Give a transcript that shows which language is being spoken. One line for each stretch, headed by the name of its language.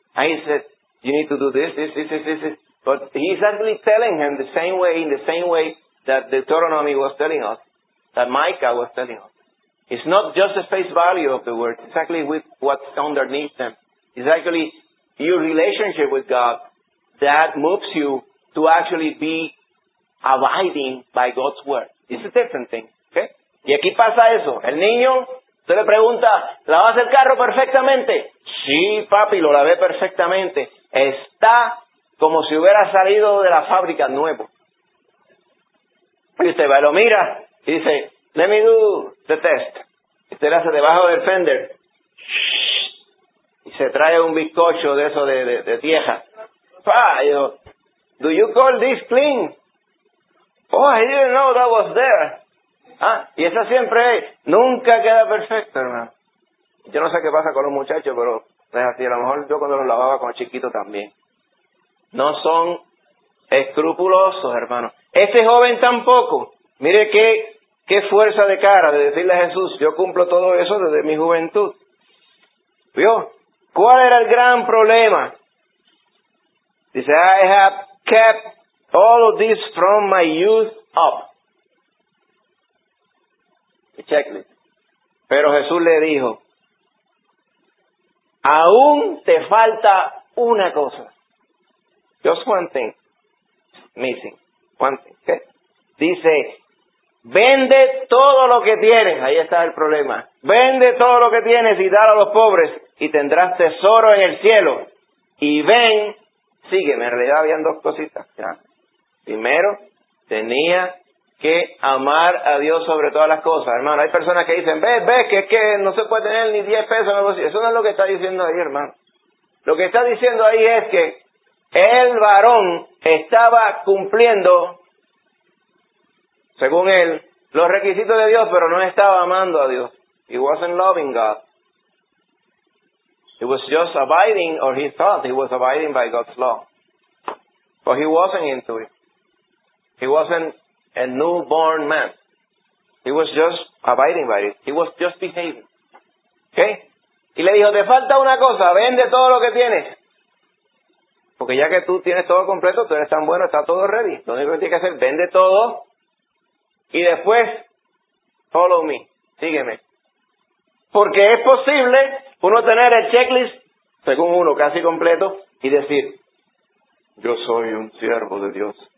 English: And he said, you need to do this. But he's actually telling him the same way, in the same way that Deuteronomy was telling us, that Micah was telling us. It's not just the face value of the word. It's actually with what's underneath them. It's actually your relationship with God that moves you to actually be abiding by God's word. It's a different thing. Okay?
Spanish: Y aquí pasa eso. El niño, usted le pregunta, ¿lavas el carro perfectamente? Sí, papi, lo lavé perfectamente. Está como si hubiera salido de la fábrica nuevo. Y usted va y lo mira y dice,
English: let me do the test.
Spanish: Y usted le hace debajo del fender y se trae un bizcocho de eso de tieja.
English: Yo, do you call this clean? Oh, I didn't know that was there.
Spanish: Ah, y eso siempre es. Nunca queda perfecto, hermano. Yo no sé qué pasa con los muchachos, pero es así. A lo mejor yo cuando los lavaba con chiquitos también. No son escrupulosos, hermano. Ese joven tampoco. Mire qué fuerza de cara de decirle a Jesús, yo cumplo todo eso desde mi juventud. ¿Vio? ¿Cuál era el gran problema?
English: Dice, I have kept all of this from my youth up. Checklist.
Spanish: Pero Jesús le dijo, aún te falta una cosa.
English: Just one thing. Missing. One thing. Okay.
Spanish: Dice, vende todo lo que tienes. Ahí está el problema. Vende todo lo que tienes y dalo a los pobres y tendrás tesoro en el cielo. Y ven, sígueme. En realidad habían dos cositas. Ya. Primero, tenía que amar a Dios sobre todas las cosas. Hermano, hay personas que dicen, ves, que no se puede tener ni 10 pesos en el bolsillo. Eso no es lo que está diciendo ahí, hermano. Lo que está diciendo ahí es que el varón estaba cumpliendo, según él, los requisitos de Dios, pero no estaba amando a Dios.
English: He wasn't loving God. He was just abiding, or he thought he was abiding by God's law. But he wasn't into it. He wasn't a newborn man. He was just abiding by it. He was just behaving. ¿Okay?
Spanish: Y le dijo, te falta una cosa, vende todo lo que tienes. Porque ya que tú tienes todo completo, tú eres tan bueno, está todo ready. Lo único que tienes que hacer, vende todo. Y después,
English: follow me,
Spanish: sígueme. Porque es posible uno tener el checklist, según uno, casi completo, y decir, yo soy un siervo de Dios.